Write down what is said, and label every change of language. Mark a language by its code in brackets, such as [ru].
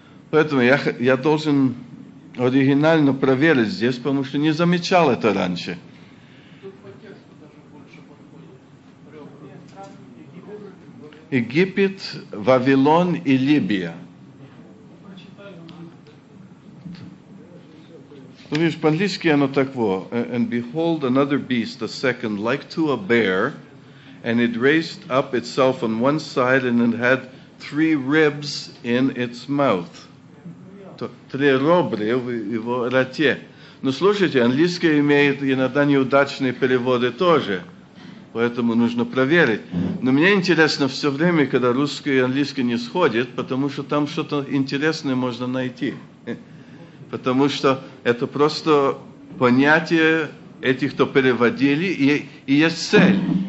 [ru] Поэтому я должен оригинально проверить здесь, потому что не замечал это раньше. Египет, Вавилон и Либия. Ну, видишь, по-английски оно такво. [en] And behold, another beast, a second, like to a bear, and it raised up itself on one side, and it had three ribs in its mouth. [ru] Три ребра в его роте. Но слушайте, английский имеет иногда неудачные переводы тоже. Поэтому нужно проверить. Но мне интересно все время, когда русский и английский не сходят, потому что там что-то интересное можно найти. Потому что это просто понятие этих, кто переводили, и есть цель.